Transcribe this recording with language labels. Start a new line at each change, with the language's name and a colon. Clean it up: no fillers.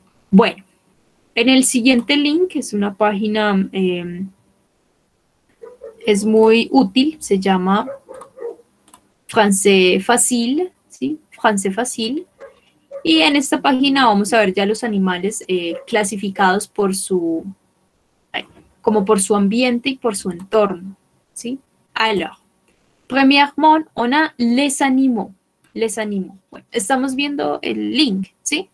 Spanish: Bueno, en el siguiente link, es una página, es muy útil, se llama Francés Fácil, ¿sí? Francés Fácil. Y en esta página vamos a ver ya los animales clasificados por su, como por su ambiente y por su entorno. ¿Sí?
French: Alors, premièrement, on a les animaux. Les animaux.
Spanish: Bueno, estamos viendo el link, ¿sí?